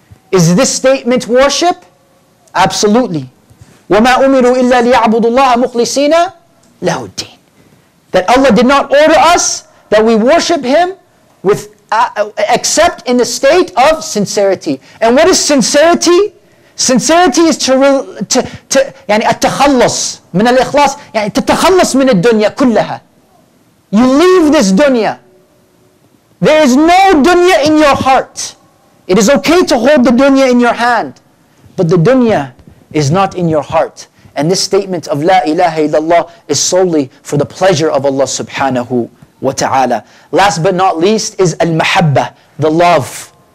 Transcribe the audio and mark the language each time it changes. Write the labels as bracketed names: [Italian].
[English] Is this statement worship? Absolutely. [Arabic] وَمَا أُمِرُوا إِلَّا لِيَعْبُدُ اللَّهَ مُخْلِصِينَ لَهُ الدِّينَ. [English] That Allah did not order us that we worship Him with except in the state of sincerity. And what is sincerity? Sincerity is to [Arabic] يعني التخلص من الإخلاص يعني تتخلص من الدنيا كلها. [English] You leave this dunya. There is no dunya in your heart. It is okay to hold the dunya in your hand, but the dunya is not in your heart. And this statement of La ilaha illallah is solely for the pleasure of Allah subhanahu wa ta'ala. Last but not least is al-mahabba, the love.